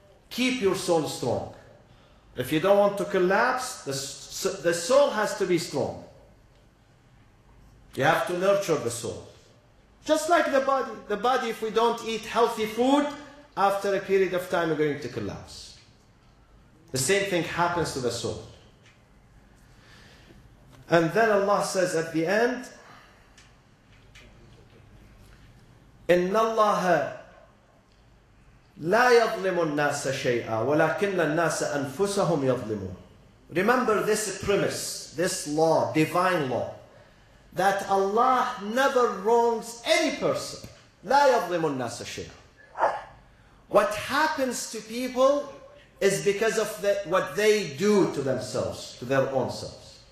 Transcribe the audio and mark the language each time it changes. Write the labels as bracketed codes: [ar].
[en] Keep your soul strong. If you don't want to collapse, the soul has to be strong. You have to nurture the soul. Just like the body. The body, if we don't eat healthy food, after a period of time, we're going to collapse. The same thing happens to the soul. And then Allah says at the end, [ar] إِنَّ اللَّهَ لَا يَظْلِمُ النَّاسَ شَيْئًا وَلَكِنَّ النَّاسَ أَنفُسَهُمْ يَظْلِمُونَ. [en] Remember this premise, this law, divine law, that Allah never wrongs any person. [ar] لَا يَظْلِمُ النَّاسَ شَيْئًا. [en] What happens to people is because of what they do to themselves, to their own selves.